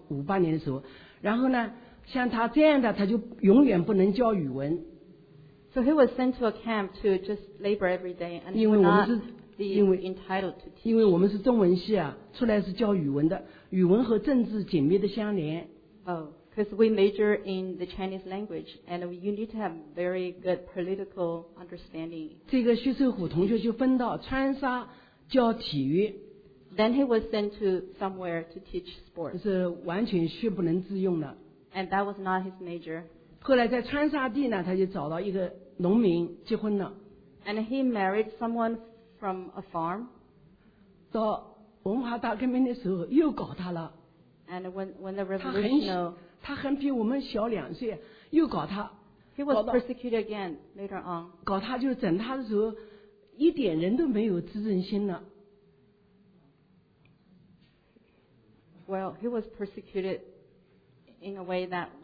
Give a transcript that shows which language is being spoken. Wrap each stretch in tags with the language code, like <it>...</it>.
<zh>五八年的时候，然后呢，像他这样的，他就永远不能教语文。</zh> <en>So he was sent to a camp to just labor every day, and he would not be entitled to teach.</en> <zh>因为我们是中文系啊，出来是教语文的，语文和政治紧密的相连。</zh> <en>Oh, because we major in the Chinese language, and you need to have very good political understanding.</en> <zh>这个徐寿虎同学就分到川沙教体育。</zh> <en>Then he was sent to somewhere to teach sports.</en> <zh>就是完全学不能自用的。</zh> <en>And that was not his major.</en> <zh>后来在川沙地呢，他就找到一个农民结婚了。</zh> <en>And he married someone from a farm.</en> <zh>到文化大革命的时候又搞他了。</zh> <en>And when the revolution,</en> <zh>他很比我们小两岁，又搞他。</zh> <en>He was persecuted again later on.</en> <zh>搞他就整他的时候，一点人都没有自尊心了。</zh> <en>Well, he was persecuted in a way that.</en>